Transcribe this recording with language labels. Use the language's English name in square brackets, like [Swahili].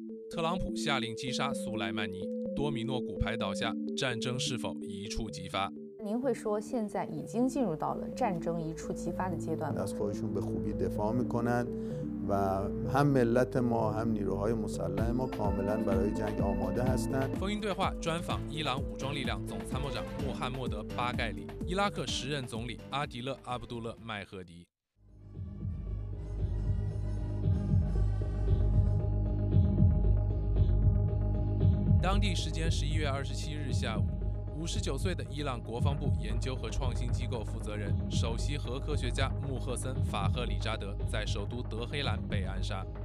[Chinese] 特朗普下令击杀苏莱曼尼，多米诺骨牌倒下，战争是否一触即发？您会说现在已经进入到了战争一触即发的阶段吗？ [Persian] از خودشون به خوبی دفاع میکنن و هم ملت ما هم نیروهای مسلح ما کاملا برای جنگ آماده هستند. [Chinese] 风云对话专访伊朗武装力量总参谋长穆罕默德·巴盖里、伊拉克时任总理阿迪勒·阿卜杜勒·麦赫迪。当地时间11月27日下午。59岁的伊朗国防部研究和创新机构负责人、首席核科学家穆赫森·法赫里扎德在首都德黑兰被暗杀。